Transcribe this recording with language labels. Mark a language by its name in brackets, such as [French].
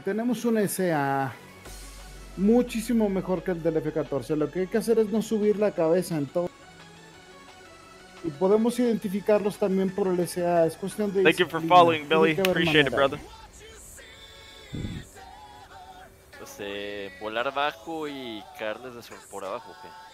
[Spanish] Tenemos un SA muchísimo mejor que el del F-14. Lo que hay que hacer es no subir la cabeza, entonces. Y podemos identificarlos también por el SA. Es cuestión de... [English] Thank you for following, Billy. Appreciate it, brother. [Spanish] Volar bajo y caerles de por abajo, ¿qué?